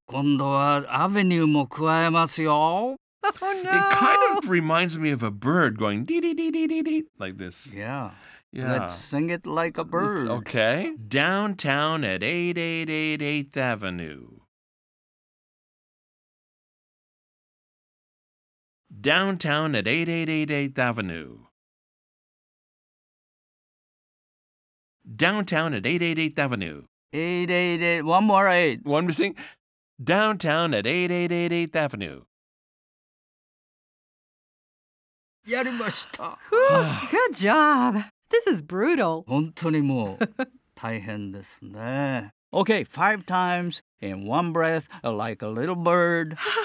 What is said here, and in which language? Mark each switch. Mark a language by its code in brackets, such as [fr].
[ja] 今度はアベニューも加えますよ。 [en] Oh, no. It kind of reminds me of a bird going dee dee dee dee dee dee like this. Yeah. yeah. Let's sing it like a bird. Okay. Downtown at 888 8th Avenue. Downtown at 888 8th Avenue. Downtown at 888 8th Avenue. 888. One more 8. One more thing. Downtown at 888 8th Avenue. [ja] やりました。 [en] Good job. This is brutal. [ja] 本当にもう大変ですね。 [en] Okay, five times in one breath, like a little bird.